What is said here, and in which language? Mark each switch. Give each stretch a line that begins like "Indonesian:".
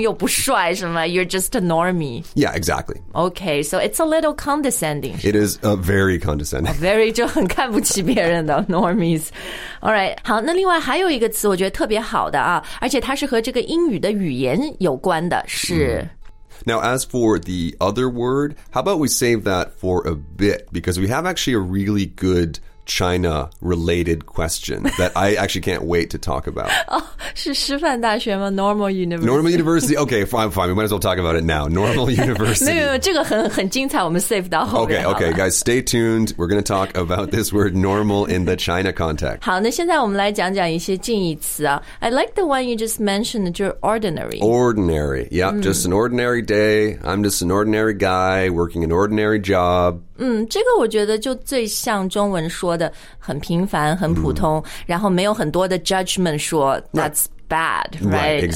Chinese: 又不帅什么
English: You're just a normie. Yeah, exactly. Okay, so it's a little condescending. It is very condescending.
Chinese: Very 就很看不起别人的 normies. Alright, 好那另外还有一个词我觉得特别好的啊而且它是和这个英语的语言有关的是、
English: Now, as for the other word, how about we save that for a bit? Because we have actually a really good China-related question that I actually can't wait to talk about.
Chinese: Oh, 是师范大学吗?
English: Normal University. Normal University. Okay, fine. We might as well talk about it now. Normal University.
Chinese: 没有,这个很精彩,我们 save 到后面。
English: Okay, guys, stay tuned. We're going to talk about this word normal in the China context.
Chinese: 好,那现在我们来讲讲一些近义词啊。
English: I like the one you just mentioned, you're ordinary. Ordinary. Yep, just an ordinary day. I'm just an ordinary guy working an ordinary job.
Chinese: 这个我觉得就最像中文说的很平凡很普通、然后没有很多的 judgment 说
English: that's bad, right?